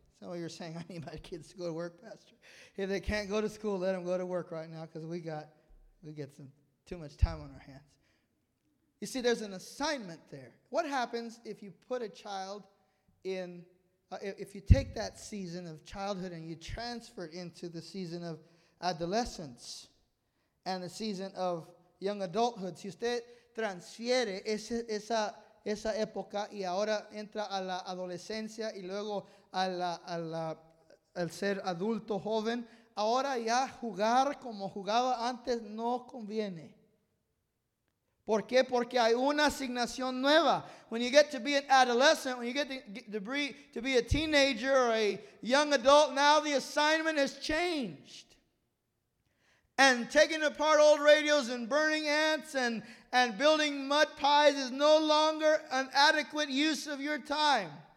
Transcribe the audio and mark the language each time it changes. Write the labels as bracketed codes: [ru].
[en] Some of you are saying, I need my kids to go to work, Pastor. If they can't go to school, let them go to work right now, because we get some too much time on our hands. You see, there's an assignment there. What happens if you put a child in, if you take that season of childhood and you transfer it into the season of adolescence and the season of young adulthood? [es] Si usted transfiere esa época y ahora entra a la adolescencia y luego al ser adulto joven, ahora ya jugar como jugaba antes no conviene. ¿Por qué? Porque hay una asignación nueva. [en] When you get to be an adolescent, when you get to be a teenager or a young adult, now the assignment has changed. And taking apart old radios and burning ants and building mud pies is no longer an adequate use of your time.